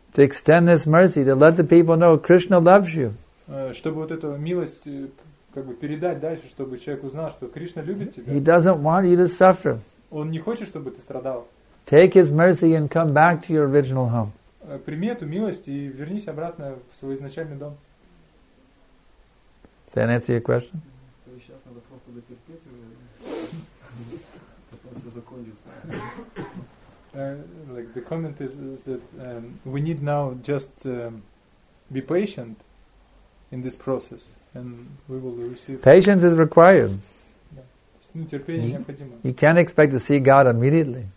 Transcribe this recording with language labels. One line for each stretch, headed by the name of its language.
English: To extend this mercy, to let the people know Krishna loves you.
Russian: Чтобы вот эту милость как бы передать дальше, чтобы человек узнал, что Кришна любит тебя.
English: He doesn't want you to suffer.
Russian: Он не хочет, чтобы ты страдал.
English: Take his mercy and come back to your original home.
Russian: Прими эту милость и вернись обратно в свой изначальный дом.
English: Does that answer your question?
Russian: Сейчас надо просто дотерпеть уже. Потом все закончится.
English: Like the comment is that we need now just be patient in this process. And we will receive patience is required. Yeah. You can't expect to see God immediately.